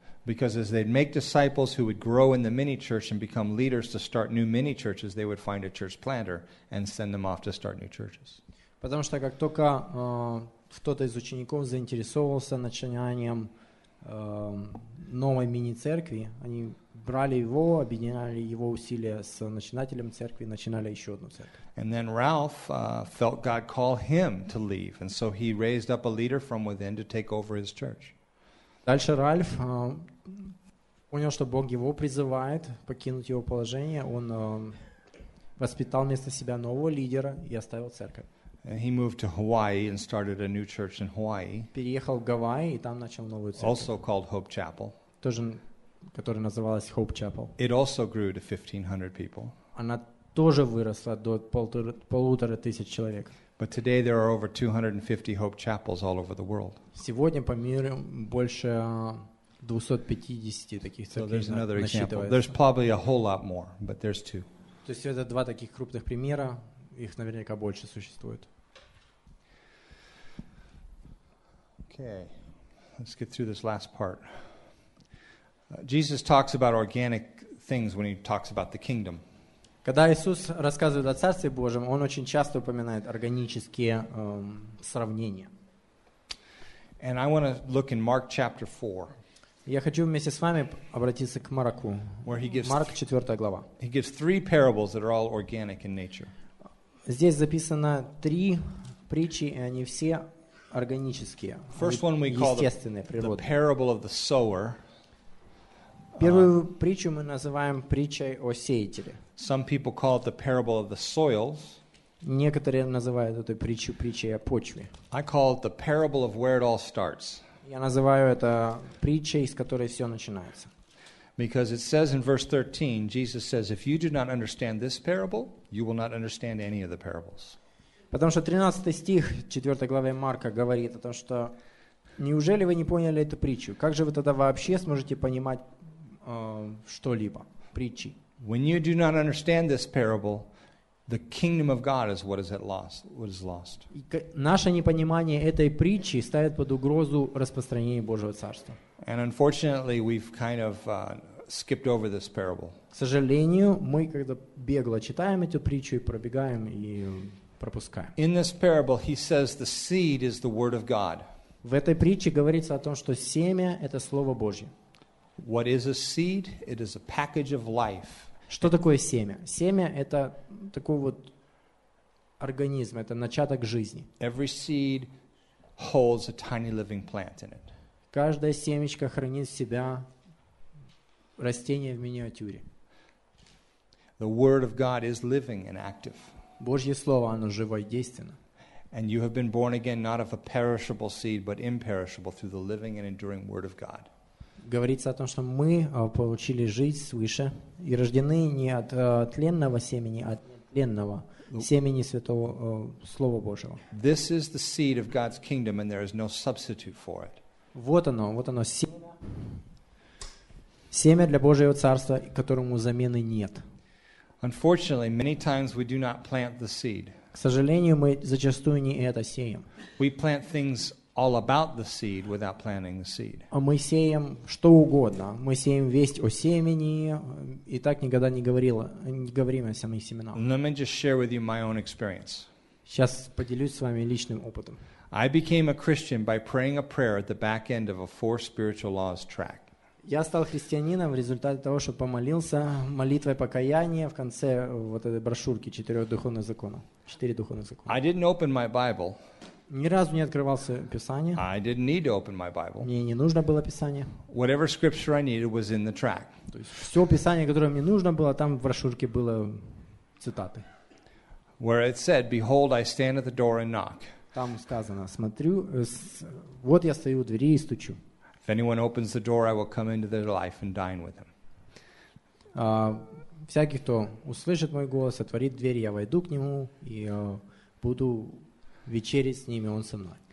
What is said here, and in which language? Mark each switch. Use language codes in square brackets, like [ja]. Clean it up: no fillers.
[en] Because as they'd make disciples who would grow in the mini church and become leaders to start new mini churches, they would find a church planter and send them off to start new churches. [ru] Потому что как только кто-то из учеников заинтересовался начинанием новой мини-церкви, они брали его, объединяли его усилия с начинателем церкви, начинали еще одну церковь. [en] And then Ralph felt God call him to leave, and so he raised up a leader from within to take over his church. [ru] Дальше Ральф понял, что Бог его призывает покинуть его положение. Он воспитал вместо себя нового лидера и оставил церковь. [en] And he moved to Hawaii and started a new church in Hawaii. [ru] Переехал в Гавайи и там начал новую церковь. [en] Also called Hope Chapel. [ru] Тоже, которая называлась Hope Chapel. [en] It also grew to 1,500 people. [ru] Она тоже выросла до 1,500 человек. [en] But today there are over 250 Hope Chapels all over the world. [ru] Сегодня по миру больше 250 таких церквей. [en] So there's another example. There's probably a whole lot more, but there's two. [ru] То есть это два таких крупных примера. Их наверняка больше существует. [en] Okay. Let's get through this last part. Jesus talks about organic things when he talks about the kingdom. [ru] Когда Иисус рассказывает о Царстве Божьем, он очень часто упоминает органические сравнения. [en] And I want to look in Mark chapter 4. [ru] Я хочу вместе с вами обратиться к Марку. Марк 4 глава. [en] He gives three parables that are all organic in nature. [ru] Здесь записано три притчи, и они все органические, естественные, природные. [en] The parable of the sower. [ru] Первую притчу мы называем притчей о сеятеле. [en] Some people call it the parable of the soils. [ru] Некоторые называют эту притчу притчей о почве. [en] I call it the parable of where it all starts. [ru] Я называю это притчей, с которой все начинается. [en] Because it says in verse 13, Jesus says, if you do not understand this parable, you will not understand any of the parables. [ru] Потому что 13 стих 4 главы Марка говорит о том, что неужели вы не поняли эту притчу? Как же вы тогда вообще сможете понимать что-либо, притчи? [en] When you do not understand this parable, the kingdom of God is what is at lost, what is lost. [ru] Наше непонимание этой притчи ставит под угрозу распространение Божьего Царства. [en] And unfortunately, we've kind of skipped over this parable. [ru] К сожалению, мы когда бегло читаем эту притчу и пробегаем и пропускаем. [en] In this parable, he says the seed is the word of God. [ru] В этой притче говорится о том, что семя — это слово Божье. [en] What is a seed? It is a package of life. [ru] Что такое семя? Семя — это такой вот организм, это начаток жизни. [en] Every seed holds a tiny living plant in it. [ru] Каждая семечка хранит в себя растение в миниатюре. [en] The word of God is living and active. [ru] Божье слово, оно живо и действенно. [en] And you have been born again not of a perishable seed, but imperishable through the living and enduring word of God. [ru] Говорится о том, что мы получили жизнь свыше и рождены не от тленного семени, а от нетленного семени святого слова Божьего. [en] This is the seed of God's kingdom, and there is no substitute for it. [ru] Вот оно, семя для Божьего Царства, которому замены нет. [en] Unfortunately, many times we do not plant the seed. [ru] К сожалению, мы зачастую не это сеем. [en] We plant things all about the seed without planting the seed. [ru] А мы сеем что угодно. Мы сеем весть о семени и так никогда не говорим о самих семенах. [en] Let me just share with you my own experience. [ru] Сейчас поделюсь с вами личным опытом. [en] I became a Christian by praying a prayer at the back end of a four spiritual laws track. [ru] Я стал христианином в результате того, что помолился молитвой покаяния в конце вот этой брошюрки четыре духовных закона. [en] I didn't open my Bible. [ru] Ни разу не открывался Писание. [en] I didn't need to open my Bible. [ru] Мне не нужно было Писание. [en] Whatever scripture I needed was in the track. [ru] То есть все Писание, которое мне нужно было, там в брошюрке было цитаты. [en] Where it said, "Behold, I stand at the door and knock." [ru] Там сказано, смотрю, вот я стою у двери и стучу. [en] If anyone opens the door, I will come into their life and dine with him. [ru] Всякий, кто услышит мой голос, отворит дверь, я войду к нему и буду вечерить с ним, и он со мной.